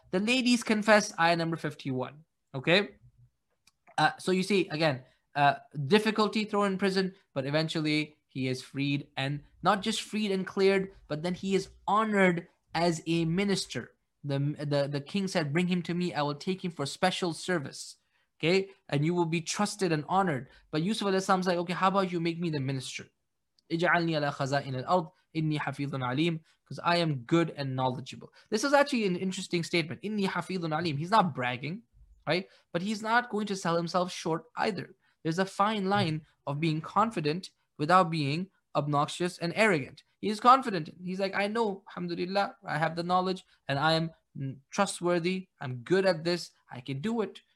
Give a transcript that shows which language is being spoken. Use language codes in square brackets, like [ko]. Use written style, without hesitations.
[en] The ladies confess, ayah number 51, okay? So you see, again, difficulty thrown in prison, but eventually he is freed, and not just freed and cleared, but then he is honored as a minister. The king said, bring him to me. I will take him for special service. Okay? And you will be trusted and honored. But Yusuf alayhi salam is like, okay, how about you make me the minister? [ar] اجعلني على خزائن الأرض إني حفيظ عليم. [en] Because I am good and knowledgeable. This is actually an interesting statement. [ar] إني حفيظ عليم. [en] He's not bragging, right? But he's not going to sell himself short either. There's a fine line of being confident without being obnoxious and arrogant. He is confident. He's like, I know, alhamdulillah, I have the knowledge, and I am trustworthy. I'm good at this. I can do it.